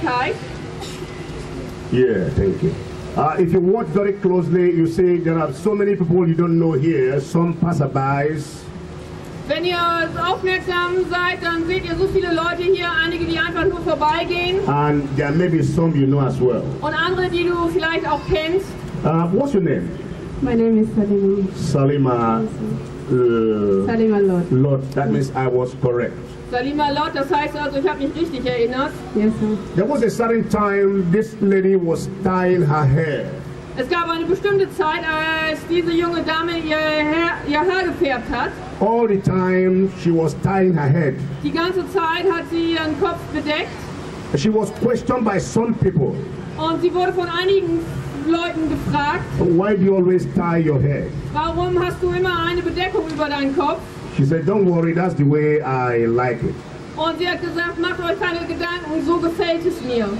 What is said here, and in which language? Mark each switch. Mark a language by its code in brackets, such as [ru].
[en] Yeah, thank you. If you watch very closely, you see there are so many people you don't know here, some passerbys. [de] Wenn ihr aufmerksam seid, dann seht ihr so viele Leute hier, einige, die einfach nur vorbeigehen. [en] And there may be some you know as well. [de] Und andere, die du vielleicht auch kennst. [en] What's your name? My name is Salima. Salima. Salima Lot. Lot, that means I was correct. [de] Salima Lot, das heißt also, ich habe mich richtig erinnert. [en] Yes, sir. There was a certain time this lady was tying her hair. [de] Es gab eine bestimmte Zeit, als diese junge Dame ihr Haar gefärbt hat. [en] All the time she was tying her head. [de] Die ganze Zeit hat sie ihren Kopf bedeckt. [en] She was questioned by some people. [de] Und sie wurde von einigen Leuten gefragt. [en] Why do you always tie your hair? [de] Warum hast du immer eine Bedeckung über deinen Kopf? [en] She said, don't worry, that's the way I like it. [de] Und sie hat gesagt, macht euch keine Gedanken, so gefällt es mir.